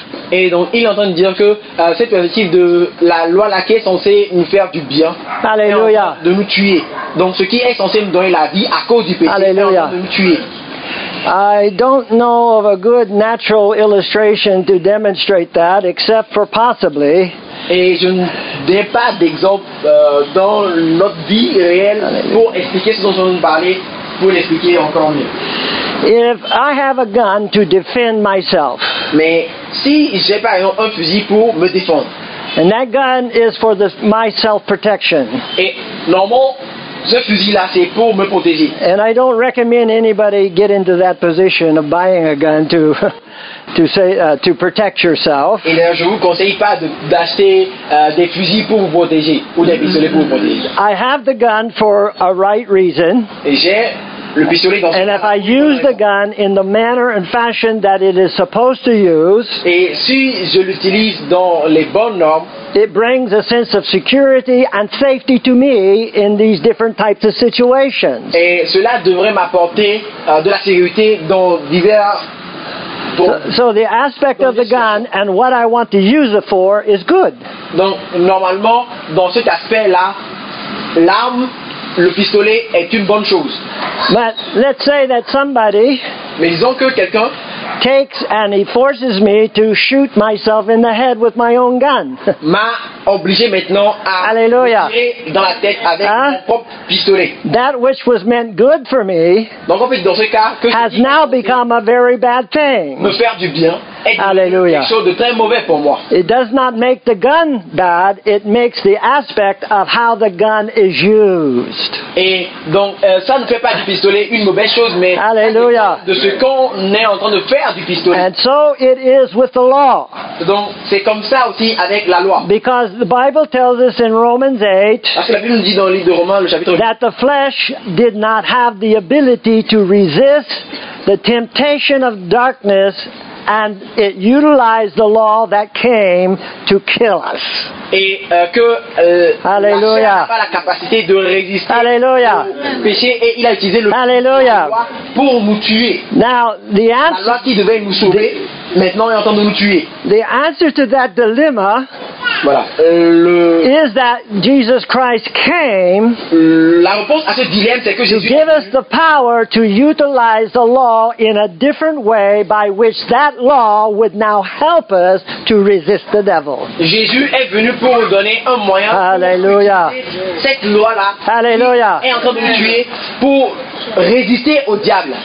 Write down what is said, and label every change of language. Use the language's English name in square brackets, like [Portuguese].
[French] Et donc il est en train de dire que cette perspective de la loi laquelle est censée nous faire du bien, Alléluia. De nous tuer. Donc ce qui est censé nous donner la vie à cause du péché, Alléluia. De nous tuer. [English] I don't know of a good natural illustration to demonstrate that, except for possibly. [French] Et je n'ai pas d'exemple dans notre vie réelle, Alléluia. Pour expliquer ce dont on nous parlait, pour l'expliquer encore mieux. [English] If I have a gun to defend myself, [French] mais si j'ai par exemple un fusil pour me défendre, [English] and that gun is for my self-protection, [French] et normalement ce fusil là c'est pour me protéger, [English] and I don't recommend anybody get into that position of buying a gun to protect yourself. [French] Et là, je vous conseille pas d'acheter des fusils pour vous protéger ou des pistolets pour vous protéger. [English] I have the gun for a right reason. [French] Et j'ai le pistolet dans [English] and if I use the gun in the manner and fashion that it is supposed to use, [French] et si je l'utilise dans les bonnes normes, [English] it brings a sense of security and safety to me in these different types of situations. [French] Et cela devrait m'apporter de la sécurité dans divers. [English] So the aspect of the gun and what I want to use it for is good. [French] Donc normalement dans cet aspect-là, l'arme, le pistolet est une bonne chose. [English] But let's say that somebody, [French] mais disons que quelqu'un, [English] takes and he forces me to shoot myself in the head with my own gun. [French] M'a obligé maintenant à Alléluia. Me tirer dans la tête avec mon propre pistolet. [English] That which was meant good for me, [French] donc en fait, dans ce cas, que [English] has now become a very bad thing. [French] Me faire du bien. Alléluia. De très mauvais pour moi. [English] It does not make the gun bad, it makes the aspect of how the gun is used. [French] Et donc ça ne fait pas du pistolet une mauvaise chose, mais Alléluia. De ce qu'on est en train de faire du pistolet. [English] And so it is with the law. [French] Donc c'est comme ça aussi avec la loi. [English] Because the Bible tells us in Romans 8, [French] parce que la Bible nous dit dans le livre de Romains, le chapitre 8, [English] that the flesh did not have the ability to resist the temptation of darkness and it utilized the law that came to kill us. [French] Et que Alléluia. La chair n'a pas la capacité de résister Alléluia. Au péché et il a utilisé le Alléluia. Loi pour nous tuer. [English] Now, the answer, [French] la loi qui devait nous sauver, maintenant est en train de nous tuer. [English] The answer to that dilemma [French] voilà. [English] Is that Jesus Christ came [French] la réponse à ce dilemme, c'est que [English] to give us the power to utilize the law in a different way by which that law would now help us to resist the devil. [French] Jésus est venu pour nous donner un moyen Alléluia. Pour cette loi-là Alléluia. Qui est en train de nous tuer pour résister au diable.